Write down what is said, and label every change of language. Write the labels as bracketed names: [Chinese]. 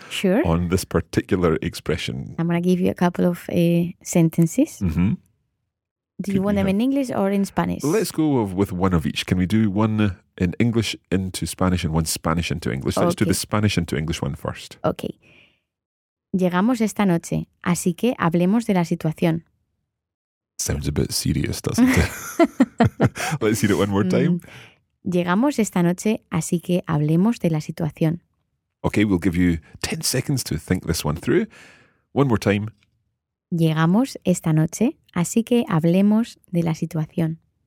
[English] sure. on this particular expression? I'm going to give you a couple of sentences. Mm-hmm. Do you want them in English or in Spanish? Let's go with one of each. Can we do one in English into Spanish and one Spanish into English? Let's do the Spanish into English one first. Okay. [Spanish] Llegamos esta noche, así que hablemos de la situación. [English] Sounds a bit serious, doesn't it? Let's hear it one more time. [Spanish] Llegamos esta noche, así que hablemos de la situación. [English] Okay, we'll give you 10 seconds to think this one through. One more time. [Spanish] Llegamos esta noche, así que hablemos de la situación.